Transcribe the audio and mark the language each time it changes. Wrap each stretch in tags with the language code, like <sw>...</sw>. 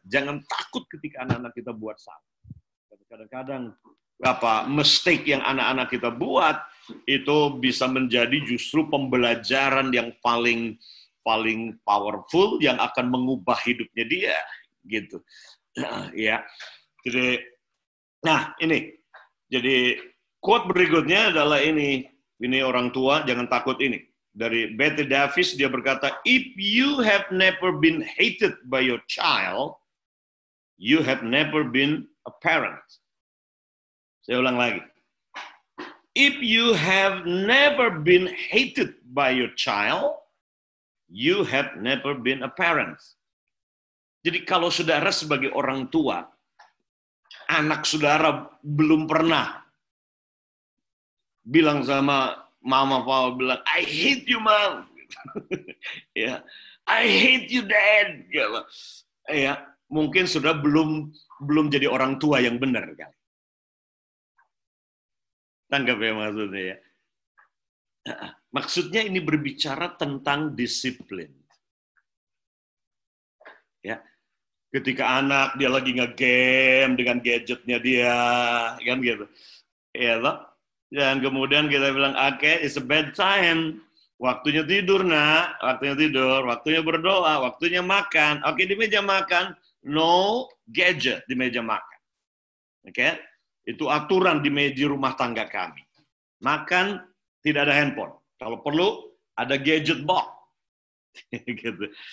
<id>Jangan takut ketika anak-anak kita buat salah. Kadang-kadang apa mistake yang anak-anak kita buat itu bisa menjadi justru pembelajaran yang paling paling powerful yang akan mengubah hidupnya dia gitu. Ya. Jadi nah, ini. Jadi quote berikutnya adalah ini. Ini orang tua jangan takut ini. Dari Betty Davis dia berkata,</id> <en>"If you have never been hated by your child, you have never been a parent."</en> <id>Saya ulang lagi.</id> <en>"If you have never been hated by your child, you have never been a parent."</en> <id>Jadi kalau saudara sebagai orang tua, anak saudara belum pernah bilang sama mama papa bilang,</id> <en>"I hate you, mom." Yeah. "I hate you, dad." Yeah.</en> <id>Mungkin sudah belum jadi orang tua yang benar kali. Tanggap ya maksudnya ya. Maksudnya ini berbicara tentang disiplin. Ya. Yeah. Ketika anak dia lagi nge-game dengan gadgetnya dia, kan gitu. Ya toh. Dan kemudian kita bilang,</id> <en>"Okay, it's a bad time.</en> <id>Waktunya tidur, Nak. Waktunya tidur, waktunya berdoa, waktunya makan. Okay, di meja makan, no gadget di meja makan." Oke? Itu aturan di meja rumah tangga kami. Makan tidak ada handphone. Kalau perlu ada gadget box. Gitu.</id>